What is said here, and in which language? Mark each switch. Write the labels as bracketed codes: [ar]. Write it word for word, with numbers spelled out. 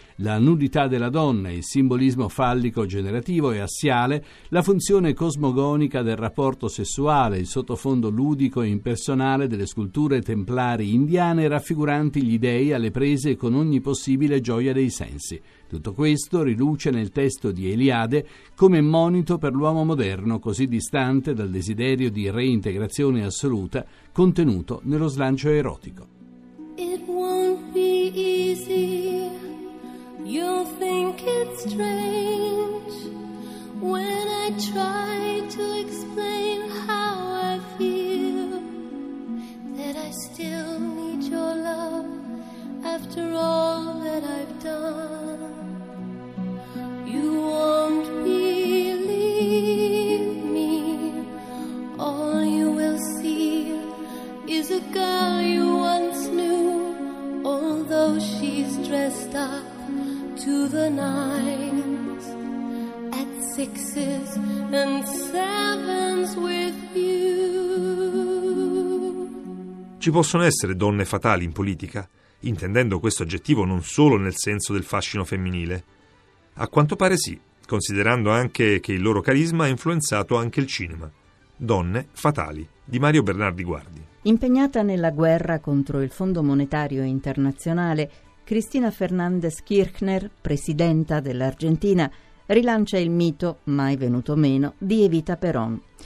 [it] La nudità della donna, il simbolismo fallico generativo e assiale, la funzione cosmogonica del rapporto sessuale, il sottofondo ludico e impersonale delle sculture templari indiane raffiguranti gli dei alle prese con ogni possibile gioia dei sensi. Tutto questo riluce nel testo di Eliade come monito per l'uomo moderno, così distante dal desiderio di reintegrazione assoluta contenuto nello slancio erotico. [en] It won't be easy. You'll think it's strange when I try to explain how I feel, that I still need your love. After all that I've done, you won't believe me. All you will see is a girl you once knew, although she's dressed up to the nines, at sixes and sevens with you. [it] Ci possono essere donne fatali in politica? Intendendo questo aggettivo non solo nel senso del fascino femminile. A quanto pare sì, considerando anche che il loro carisma ha influenzato anche il cinema. Donne fatali, di Mario Bernardi Guardi. Impegnata nella guerra contro il Fondo Monetario Internazionale, Cristina Fernández Kirchner, presidenta dell'Argentina, rilancia il mito, mai venuto meno, di Evita Perón.